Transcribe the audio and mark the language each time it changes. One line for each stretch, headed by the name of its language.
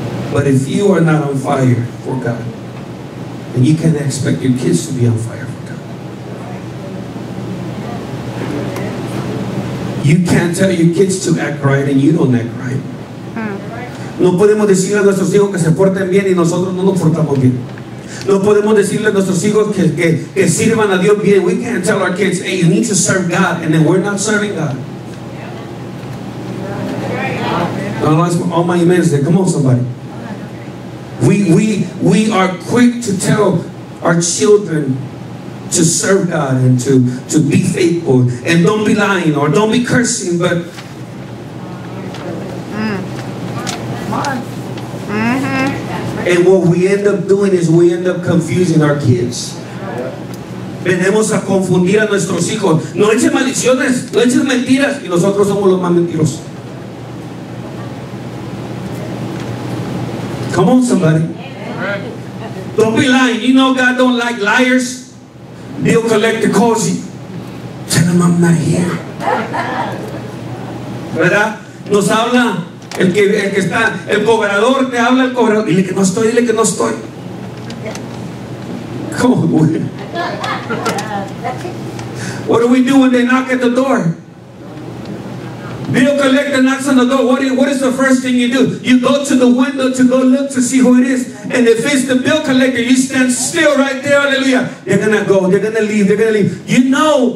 English: But if you are not on fire for God, then you can't expect your kids to be on fire for God. You can't tell your kids to act right and you don't act right.
Spanish: No podemos decirle a nuestros hijos que se porten bien y nosotros no nos portamos bien. No podemos decirle a nuestros hijos que sirvan a Dios bien.
English: We can't tell our kids, hey, you need to serve God, and then we're not serving God. I'll ask all my amens there. Come on, somebody. We are quick to tell our children to serve God and to be faithful and don't be lying or don't be cursing, but and what we end up doing is we end up confusing our kids.
Spanish: Venemos a confundir a nuestros hijos. No echen maldiciones, no echen mentiras, y nosotros somos los más mentirosos.
English: Come on, somebody. Don't be lying. You know God don't like liars. He'll collect the calls. Tell him I'm not here.
Spanish: ¿Verdad? Nos habla el que está, el cobrador te habla, el cobrador. Dile que no estoy, dile que no estoy.
English: Come on, boy. What do we do when they knock at the door? Bill collect the knocks on the door. What is the first thing you do? You go to the window to go look to see who it is. And if it's the bill collector, you stand still right there. Hallelujah. They're going to go. They're going to leave. They're going to leave. You know.